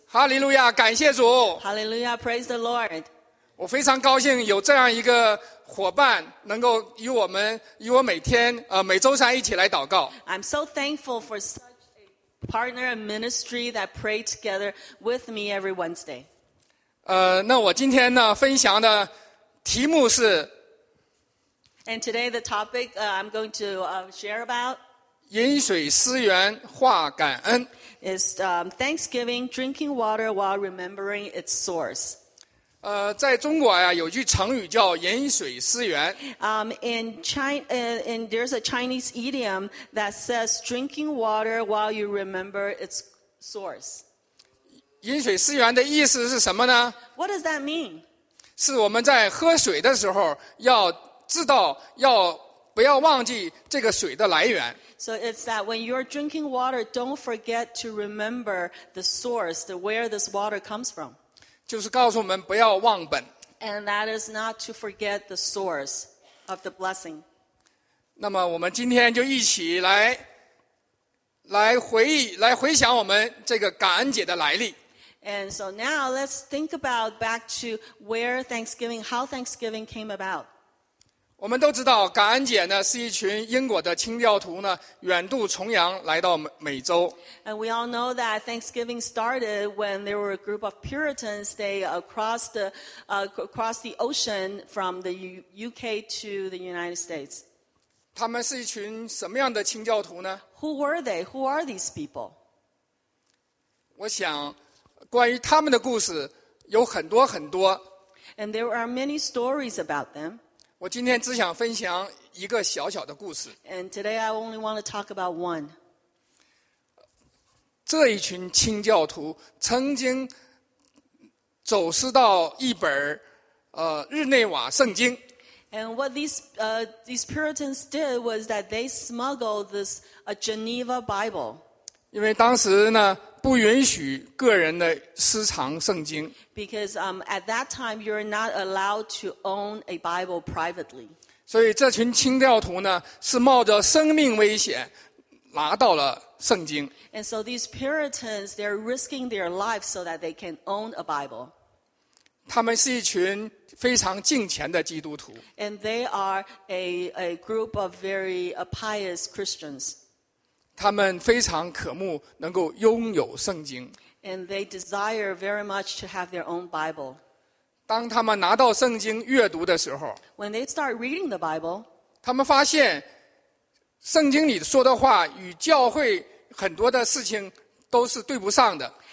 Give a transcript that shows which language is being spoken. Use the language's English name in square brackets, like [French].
[Chinese] 哈利路亚，感谢主。 [English] Hallelujah, praise the Lord. [Chinese] 我非常高兴有这样一个伙伴能够与我每天每周三一起来祷告。 [English] I'm so thankful for such. Partner and ministry that pray together with me every Wednesday. [Chinese] 那我今天呢分享的题目是。 [English] And today the topic I'm going to share about. [Chinese] 饮水思源，化感恩。 [English] Is Thanksgiving drinking water while remembering its source. [Chinese] 在中国呀，有句成语叫饮水思源。 [English] There's a Chinese idiom that says drinking water while you remember its source. [Chinese] 饮水思源的意思是什么呢？ [English] What does that mean? [Chinese] 是我们在喝水的时候要知道，要不要忘记这个水的来源。 [English] So it's that when you're drinking water, don't forget to remember the source, where this water comes from. [Chinese] 就是告诉我们不要忘本。 [English] And that is not to forget the source of the blessing. [Chinese] 那么我们今天就一起来回想我们这个感恩节的来历。 [English] And so now let's think about back to where Thanksgiving, how Thanksgiving came about. [Chinese] 我们都知道感恩节呢是一群英国的清教徒呢远渡重洋来到美洲。 [English] And we all know that Thanksgiving started when there were a group of Puritans, they across the ocean from the UK to the United States. [Chinese] 他们是一群什么样的清教徒呢？ [English] Who were they? Who are these people? [Chinese] 我想关于他们的故事有很多很多。 [English] And there are many stories about them. [Chinese] 我今天只想分享一个小小的故事。 [English] And today I only want to talk about one. [Chinese] 这一群清教徒曾经走失到一本日内瓦圣经。 [English] And what these Puritans did was that they smuggled this a Geneva Bible. [Chinese] 因为当时呢不允许个人的私藏圣经。 [English] Because at that time you're not allowed to own a Bible privately. [Chinese] 所以这群清教徒呢是冒着生命危险拿到了圣经。 [English] And so these Puritans, they're risking their lives so that they can own a Bible. [Chinese] 他们是一群非常敬虔的基督徒。 [English] And they are a group of very pious Christians. [Chinese] 他们非常渴慕能够拥有圣经。 [English] And they desire very much to have their own Bible. [Chinese] 当他们拿到圣经阅读的时候， [English] When they start reading the Bible, [Chinese] 他们发现圣经里说的话与教会很多的事情都是对不上的。